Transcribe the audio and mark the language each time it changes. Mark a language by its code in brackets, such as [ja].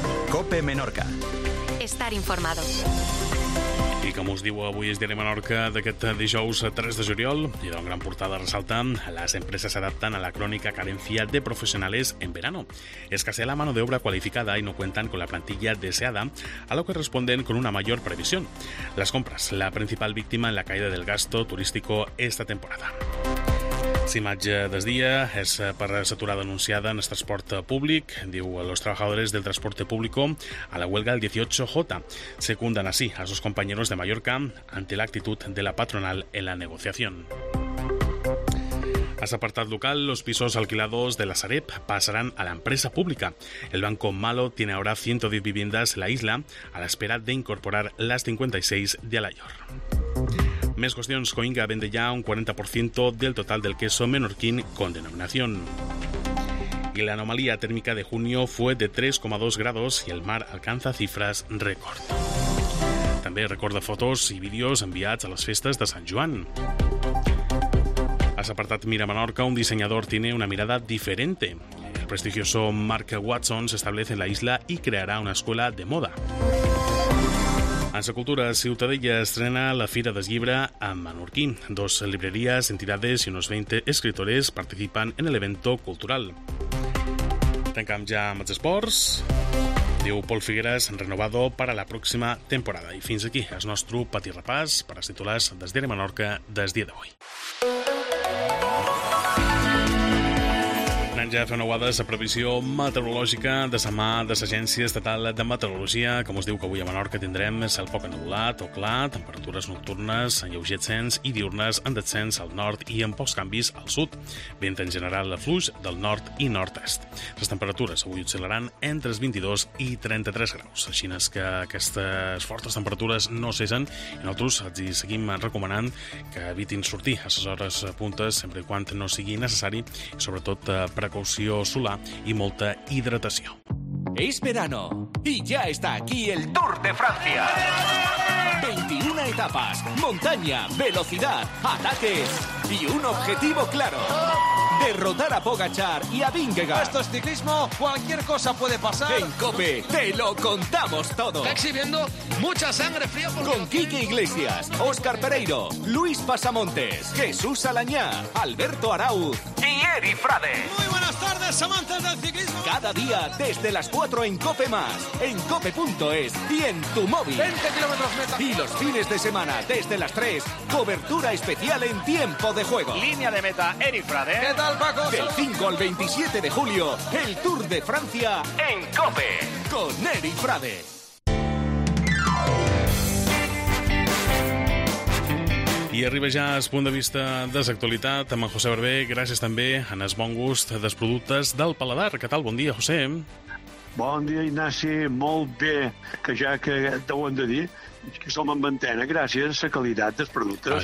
[es] COPE Menorca. Estar informado. [ca] I com us diu avui el Diari Menorca d'aquest dijous 3 de juliol, i d'una gran portada ressalta, les empreses s'adapten a la [es] crònica carencia de professionales en verano. Escasea la mano de obra cualificada i no cuentan con la plantilla deseada, a lo que responden con una mayor previsión. Las compras, la principal víctima en la caída del gasto turístico esta temporada. [ca] S'imatge del dia és per l'aturada anunciada en el transport públic, diu [es] los trabajadores del transporte público a la huelga el 18J. Secundan así a sus compañeros de Mallorca ante la actitud de la patronal en la negociación. [ca] A apartat local, [es] los pisos alquilados de la Sareb pasarán a la empresa pública. El banco Malo tiene ahora 110 viviendas en la isla a la espera de incorporar las 56 de Alayor. [ca] Més qüestions. [es] Coinga vende ja un 40% del total del queso menorquín con denominación. Y la anomalía térmica de junio fue de 3,2 grados y el mar alcanza cifras récord. [ca] També recorda fotos i vídeos enviats a les festes de Sant Joan. A l'apartat Mira Menorca, un dissenyador [es] tiene una mirada diferente. El prestigioso Mark Watson se establece en la isla y creará una escuela de moda. En la cultura, Ciutadella estrena la Fira del Llibre a Menorquí. Dos librerías, entidades y unos 20 escritores participan en el evento cultural. [ca] Tancam ja amb els esports. Diu Pol Figueres, [es] renovado para la próxima temporada. [ca] I fins aquí el nostre petit repàs per als titulars del Diari Menorca del dia d'avui. Anem ja a fer una guada a la previsió meteorològica de la mà de l'Agència Estatal de Meteorologia. Com us diu, que avui a Menorca tindrem cel poc ennuvolat o clar, temperatures nocturnes en lleuger ascens i diurnes en descens al nord i amb pocs canvis al sud. Vent en general de fluix del nord i nord-est. Les temperatures avui oscil·laran entre els 22 i 33 graus. Així és que aquestes fortes temperatures no cessen i nosaltres els seguim recomanant que evitin sortir a les hores puntes sempre quan no sigui necessari, sobretot precaució solar i molta hidratació. [es] Es verano y ya está aquí el Tour de Francia. 21 etapas, montaña, velocidad, ataques y un objetivo claro. Derrotar a Pogacar y a Vingegaard. Esto es ciclismo, cualquier cosa puede pasar. En COPE te lo contamos todo. Está exhibiendo mucha sangre fría. Con Quique Iglesias, Óscar Pereiro, Luis Pasamontes, Jesús Alañá, Alberto Arauz y Eri Frade. Muy buenas tardes, amantes del ciclismo. Cada día desde las 4 en COPE Más, en COPE.es y en tu móvil. 20 kilómetros meta. Y los fines de semana desde las 3, cobertura especial en tiempo de juego. Línea de meta, Eri Frade. ¿Qué tal, Paco? Del 5 al 27 de julio, el Tour de Francia en COPE con Eri Frade. [ca] I arriba ja al punt de vista de l'actualitat amb en José Berbé. Gràcies també a el bon gust dels productes del Paladar. Què tal? Bon dia, José. Bon dia, Ignasi. Molt bé, que ja que t'ho hem de dir, que som amb antena gràcies a la qualitat dels productes